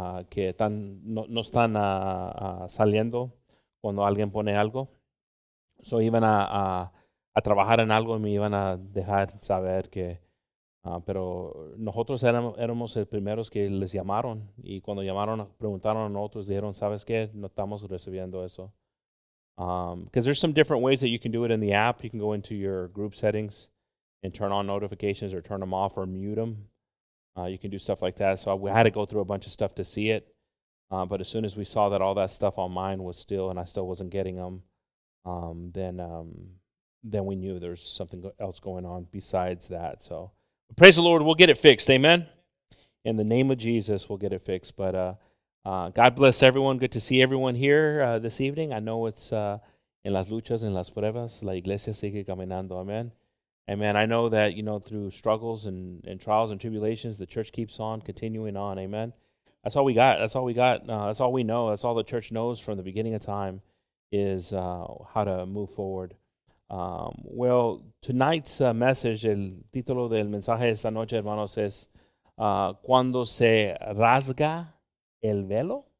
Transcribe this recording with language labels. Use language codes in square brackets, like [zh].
[es] Que están, no están saliendo cuando alguien pone algo. So iban a trabajar en algo y me iban a dejar saber que, pero nosotros éramos los primeros que les llamaron, y cuando llamaron, preguntaron a nosotros, dijeron, ¿sabes qué? No estamos recibiendo eso. [en] Because there's some different ways that you can do it in the app. You can go into your group settings and turn on notifications or turn them off or mute them. You can do stuff like that. So we had to go through a bunch of stuff to see it. But as soon as we saw that all that stuff on mine was still, and I still wasn't getting them, then we knew there was something else going on besides that. So praise the Lord, we'll get it fixed. Amen? In the name of Jesus, we'll get it fixed. But God bless everyone. Good to see everyone here this evening. I know it's [es] en las luchas, en las pruebas, la iglesia sigue caminando. Amen? Amen. [en] I know that, you know, through struggles and trials and tribulations, the church keeps on continuing on. Amen. That's all we got. That's all we got. That's all we know. That's all the church knows from the beginning of time is how to move forward. Well, tonight's message, [es] el título del mensaje esta noche, hermanos, es cuando se rasga el velo.